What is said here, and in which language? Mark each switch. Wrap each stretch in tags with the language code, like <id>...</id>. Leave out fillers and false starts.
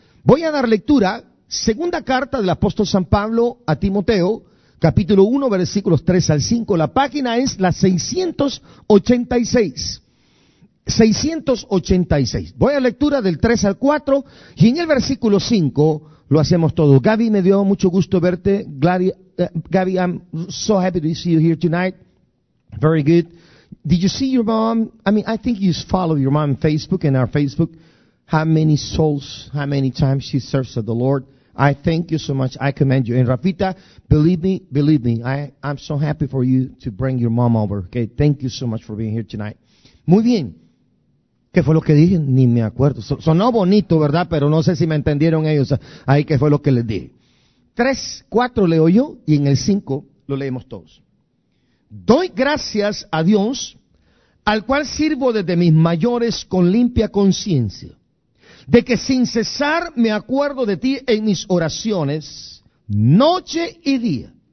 <es>Voy a dar lectura, segunda carta del apóstol San Pablo a Timoteo, capítulo 1, versículos 3 al 5. La página es la 686. 686. Voy a lectura del 3 al 4 y en el versículo 5 lo hacemos todo. Gaby, me dio mucho gusto verte.</es> <en>Gaby, I'm so happy to see you here tonight. Very good. Did you see your mom? I mean, I think you follow your mom on Facebook and our Facebook. How many souls, how many times she serves to the Lord. I thank you so much. I commend you. And Rafita, believe me, I'm so happy for you to bring your mom over. Okay, thank you so much for being here tonight.</en> <es>Muy bien. ¿Qué fue lo que dije? Ni me acuerdo. Sonó bonito, ¿verdad? Pero no sé si me entendieron ellos. Ahí, ¿qué fue lo que les dije? 3, 4 leo yo y en el 5 lo leemos todos. Doy gracias a Dios, al cual sirvo desde mis mayores con limpia conciencia, de que sin cesar me acuerdo de ti en mis oraciones, noche y día,</es>